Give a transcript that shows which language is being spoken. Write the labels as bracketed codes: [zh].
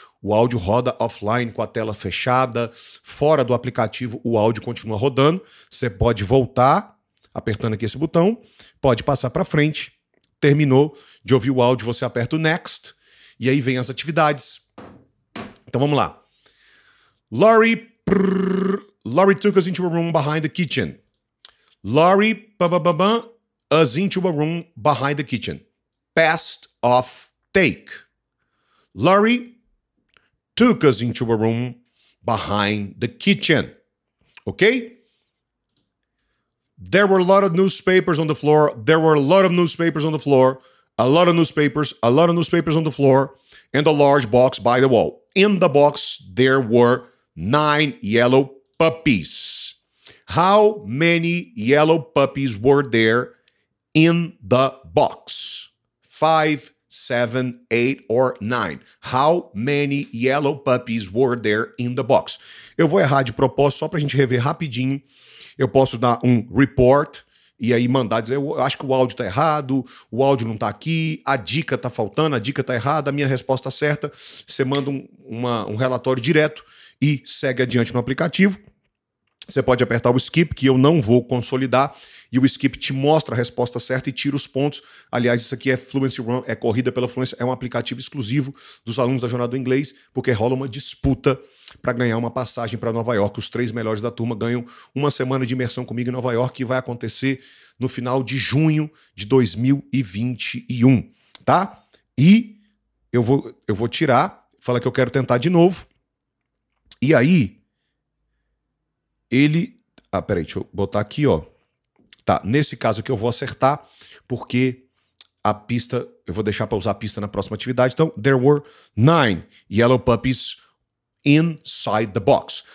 [pt] O áudio roda offline com a tela fechada, fora do aplicativo o áudio continua rodando. Você pode voltar apertando aqui esse botão, pode passar para frente. Terminou de ouvir o áudio, você aperta o next e aí vem as atividades. Então vamos lá. [en] Laurie took us into a room behind the kitchen. Laurie, us into a room behind the kitchen. Past of take. Laurie took us into a room behind the kitchen. Okay? There were a lot of newspapers on the floor. There were a lot of newspapers on the floor. A lot of newspapers. A lot of newspapers on the floor. And a large box by the wall. In the box, there were 9 yellow puppies. How many yellow puppies were there in the box? 5, 7, 8, or 9. How many yellow puppies were there in the box? [pt] Eu vou errar de propósito, só pra gente rever rapidinho. Eu posso dar um report e aí mandar dizer, eu acho que o áudio tá errado, o áudio não tá aqui, a dica tá faltando, a dica tá errada, a minha resposta certa. Você manda um relatório direto e segue adiante no aplicativo. Você pode apertar o skip, que eu não vou consolidar, e o skip te mostra a resposta certa e tira os pontos. Aliás, isso aqui é Fluency Run, é corrida pela Fluency, é um aplicativo exclusivo dos alunos da Jornada do Inglês, porque rola uma disputa para ganhar uma passagem para Nova York. Os três melhores da turma ganham uma semana de imersão comigo em Nova York, e vai acontecer no final de junho de 2021, tá? E eu vou tirar, fala que eu quero tentar de novo, e aí... Ele... Ah, peraí, deixa eu botar aqui, ó. Tá, nesse caso aqui eu vou acertar, porque a pista... Eu vou deixar pra usar a pista na próxima atividade. [en] Então, there were 9 yellow puppies inside the box.